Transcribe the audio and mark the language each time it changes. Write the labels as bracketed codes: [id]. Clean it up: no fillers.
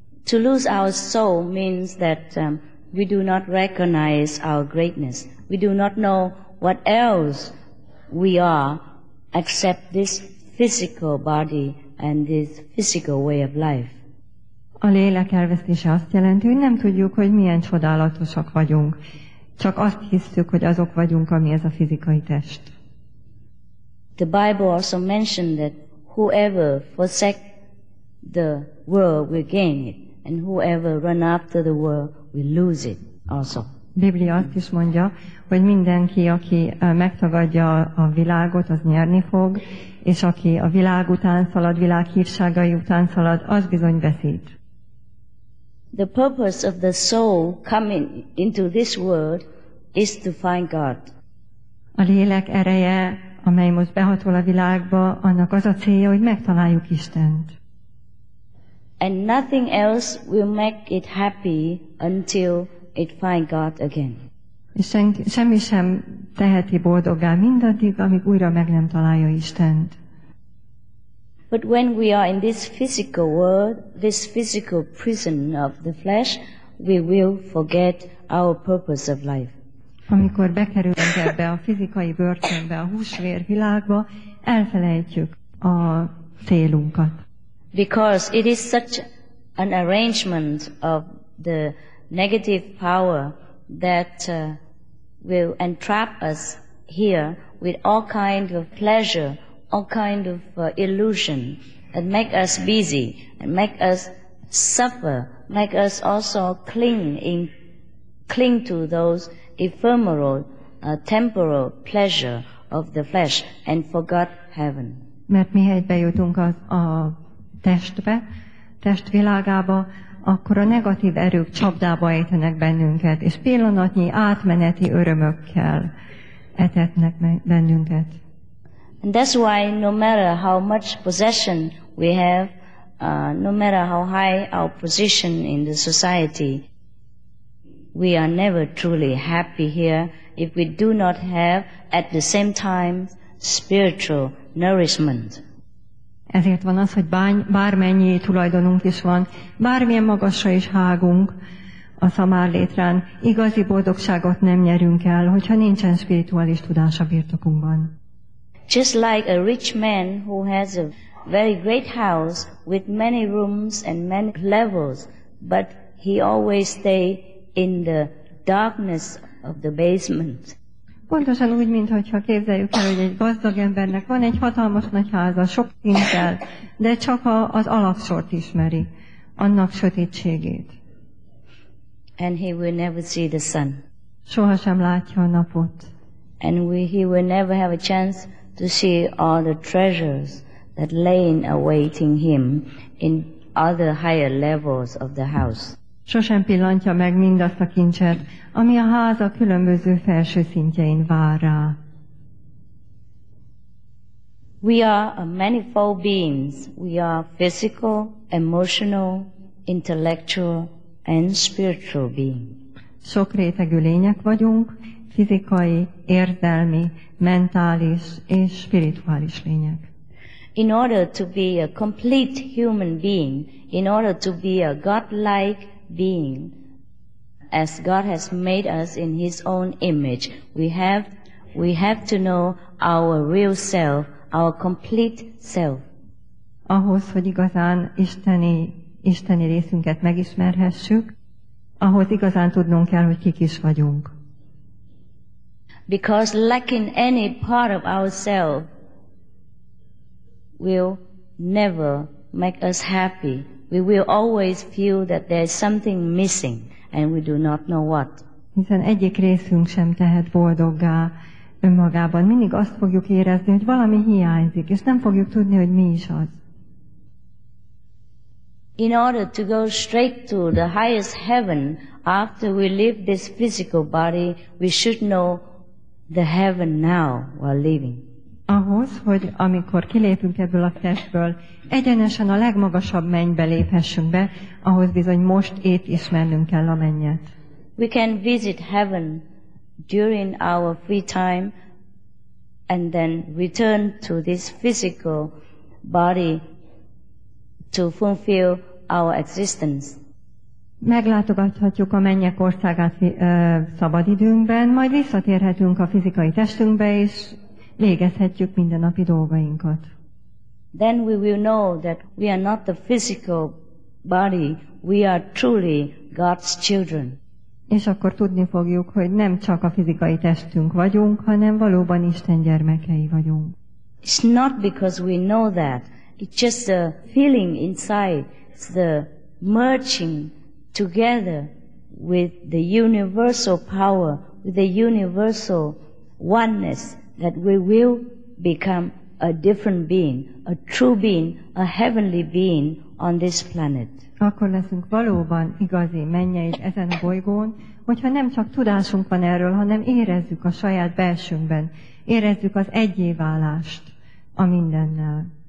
[en] To lose our soul means that we do not recognize our greatness. We do not know what else we are except this physical body and this physical way of life. [hu] A lélek elvesztése azt jelenti, hogy nem tudjuk, hogy milyen csodálatosak vagyunk. Csak azt hisszük, hogy azok vagyunk, ami ez a fizikai test. [en] The Bible also mentioned that whoever forsake the world will gain it, and whoever run after the world will lose it also. [hu] Biblia azt is mondja, hogy mindenki, aki megtagadja a világot, az nyerni fog, és aki a világ után szalad, világ hívságai után szalad, az bizony veszít. [en] The purpose of the soul coming into this world is to find God. [hu] A lélek ereje, amely most behatol a világba, annak az a célja, hogy megtaláljuk Istent. [en] And nothing else will make it happy until it find God again. [hu] És semmi sem teheti boldoggá mindaddig, amíg újra meg nem találja Istent. [en] But when we are in this physical world, this physical prison of the flesh, we will forget our purpose of life. [hu] Amikor bekerülünk ebbe a fizikai börtönbe, a húsvér világba, elfelejtjük a célunkat. [en] Because it is such an arrangement of the negative power that will entrap us here with all kind of pleasure, all kind of illusion, and make us busy, and make us suffer, make us also cling to those ephemeral, temporal pleasure of the flesh, and forgot heaven. [hu] Mert mihelyt bejutunk a testbe, testvilágába, akkor a negatív erők csapdába ejtenek bennünket, és pillanatnyi átmeneti örömökkel etetnek bennünket. [en] And that's why no matter how much possession we have, no matter how high our position in the society, we are never truly happy here if we do not have at the same time spiritual nourishment. [hu] Ezért van az, hogy bármennyi tulajdonunk is van, bármilyen magasra is hágunk a szamárlétrán, igazi boldogságot nem nyerünk el, hogyha nincsen spirituális tudás a birtokunkban. [en] Just like a rich man who has a very great house with many rooms and many levels, but he always stay in the darkness of the basement. [hu] Pontosan úgy, mintha képzeljük el, hogy egy gazdag embernek van egy hatalmas nagy háza, sok szinttel, de csak az alapsort ismeri, annak sötétségét. [en] And he will never see the sun. [hu] Soha sem látja a napot. [en] And he will never have a chance to see all the treasures that lay in awaiting him in other higher levels of the house. [hu] Sosem pillantja meg mindazt a kincset, ami a háza különböző felső szintjein vár rá. [en] We are a manifold beings. We are physical, emotional, intellectual, and spiritual being. [hu] Sok rétegű lények vagyunk, fizikai, érzelmi, mentális és spirituális lények. [en] In order to be a complete human being, in order to be a God-like being, as God has made us in His own image, we have to know our real self, our complete self. [hu] Ahhoz, hogy igazán isteni részünket megismerhessük, ahhoz igazán tudnunk kell, hogy kik is vagyunk. [en] Because lacking any part of ourself will never make us happy. We will always feel that there is something missing, and we do not know what. [hu] Hiszen egyik részünk sem tehet boldoggá önmagában. Mindig azt fogjuk érezni, hogy valami hiányzik, és nem fogjuk tudni, hogy mi is az. [en] In order to go straight to the highest heaven, after we leave this physical body, we should know the heaven now while living. [hu] Ahhoz, hogy amikor kilépünk ebből a testből, egyenesen a legmagasabb mennybe léphessünk be, ahhoz bizony most épp ismernünk kell a mennyet. [en] We can visit heaven during our free time and then return to this physical body to fulfill our existence. [hu] Meglátogathatjuk a mennyek országát szabadidőnkben, majd visszatérhetünk a fizikai testünkbe, és végezhetjük mindennapi dolgainkat. [en] Then we will know that we are not the physical body, we are truly God's children. [hu] És akkor tudni fogjuk, hogy nem csak a fizikai testünk vagyunk, hanem valóban Isten gyermekei vagyunk. [en] It's not because we know that. It's just the feeling inside, it's the merging together with the universal power, with the universal oneness, that we will become a different being, a true being, a heavenly being on this planet. [hu] Akkor leszünk valóban igazi mennyei ezen a bolygón, hogyha nem csak tudásunk van erről, hanem érezzük a saját belsőnkben, érezzük az egyéválást a mindennel.